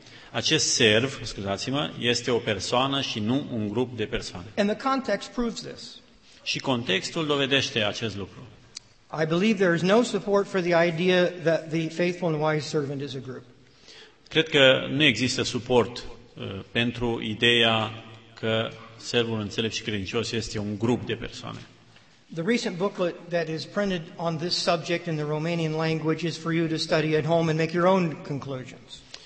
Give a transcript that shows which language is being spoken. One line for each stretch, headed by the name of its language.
Romanian: Acest serv, scuzați-mă, este o persoană și nu un grup de persoane.
English: And the context proves this.
Romanian: Și contextul dovedește acest lucru.
English: I believe there is no support for the idea that the faithful and wise servant is a group.
Romanian: Cred că nu există suport pentru ideea că servul înțelept și credincios este un grup de persoane.
English: The recent booklet that is printed on this subject in the Romanian language is for you to study at home and make your own conclusions.